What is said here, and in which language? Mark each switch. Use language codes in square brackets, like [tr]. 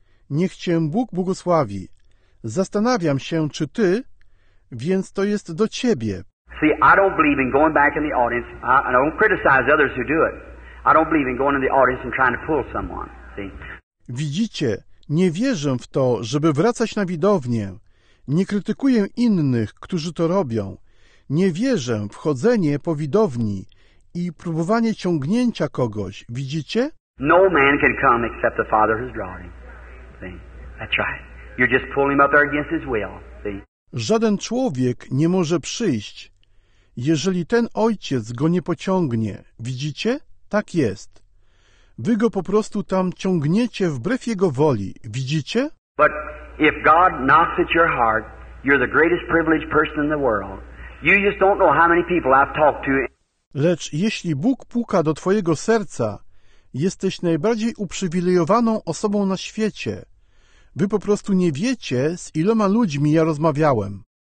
[pl] Niech Cię Bóg błogosławi. Zastanawiam się, czy Ty, więc to jest do Ciebie. [en] See, I don't believe in going back in the audience. I don't criticize others who do it. I don't believe in going in the audience and trying to pull someone. See? [pl] Widzicie, nie wierzę w to, żeby wracać na widownię. Nie krytykuję innych, którzy to robią. Nie wierzę w chodzenie po widowni i próbowanie ciągnięcia kogoś. Widzicie? [en] No man can come except the Father who's drawing. See? That's right. You're just pulling him up there against his will. See? [pl] Żaden człowiek nie może przyjść, jeżeli ten ojciec go nie pociągnie. Widzicie? Tak jest. Wy go po prostu tam ciągniecie wbrew jego woli. Widzicie? [en] But if God knocks at your heart, you're the greatest privileged person in the world. You just don't know how many people I've talked to. [pl] Lecz jeśli Bóg puka do twojego serca, jesteś najbardziej uprzywilejowaną osobą na świecie. Wy po prostu nie wiecie, z iloma ludźmi ja rozmawiałem.